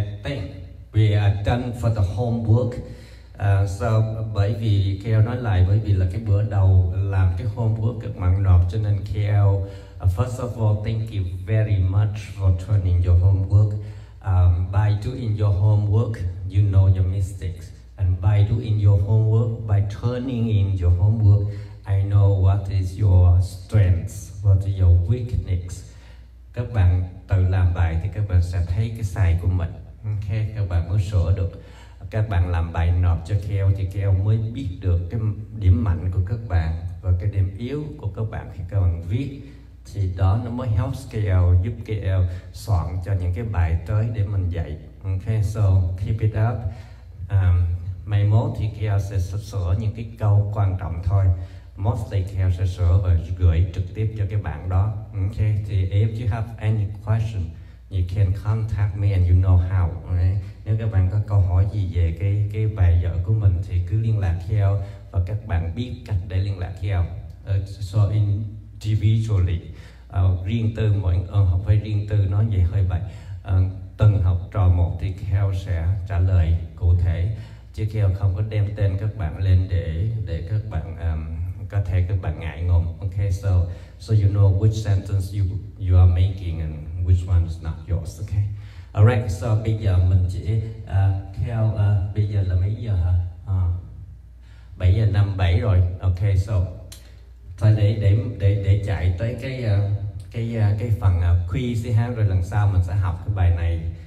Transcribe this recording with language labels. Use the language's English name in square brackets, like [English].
[English] I think we are done for the homework. [Vietnamese] So bởi vì KL nói lại, bởi vì là cái bữa đầu làm cái homework các bạn nộp, cho nên KL [English] first of all thank you very much for turning your homework. By doing your homework you know your mistakes, and by doing your homework, by turning in your homework, I know what is your strengths, what is your weakness. [Vietnamese] Các bạn tự làm bài thì các bạn sẽ thấy cái sai của mình. Okay, các bạn mới sửa được. Các bạn làm bài nộp cho KL thì KL mới biết được cái điểm mạnh của các bạn và cái điểm yếu của các bạn khi các bạn viết. Thì đó nó mới help KL, giúp KL soạn cho những cái bài tới để mình dạy. [English] Okay, so keep it up. [Vietnamese] Mai mốt thì KL sẽ sửa những cái câu quan trọng thôi. Mostly KL sẽ sửa và gửi trực tiếp cho cái bạn đó. [English] Okay, thì if you have any question, you can contact me and you know how. Okay. [Vietnamese] Nếu các bạn có câu hỏi gì về cái bài vở của mình thì cứ liên lạc KL và các bạn biết cách để liên lạc KL. [English] So individually, [Vietnamese] riêng tư mỗi học phải riêng tư, nói vậy hơi bậy. Từng học trò một thì KL sẽ trả lời cụ thể. Chứ KL không có đem tên các bạn lên để các bạn có thể các bạn ngại ngùng. [English] Okay, so you know which sentence you are making and which one is not yours. Okay. [Vietnamese] Alright, so bây giờ mình chỉ theo bây giờ là mấy giờ hả? 7:57 rồi. Okay, so thôi để chạy tới cái phần quiz đi ha, rồi lần sau mình sẽ học cái bài này.